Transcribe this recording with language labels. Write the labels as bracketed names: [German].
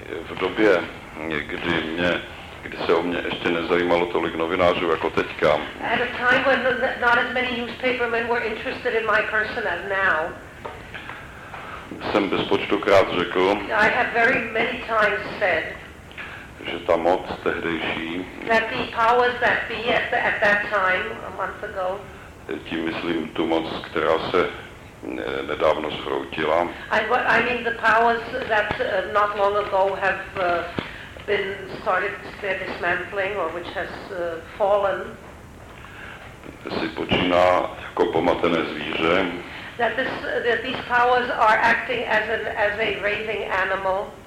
[Czech] v době, kdy se o mě ještě nezajímalo tolik novinářů jako teďka. [English] At a time when not as many newspapermen were interested in my person as now. [Czech] Jsem bezpočtokrát řekl, [English] I have very many times said, [Czech] že ta moc tehdejší, [English] that the powers that be at that time, a month ago, [Czech] tím myslím tu moc, která se nedávno zhroutila, [English] I mean the powers that not long ago have been started their dismantling or which has fallen, [Czech] si počíná jako pomatené zvíře, [English] that these powers are acting as a raving animal,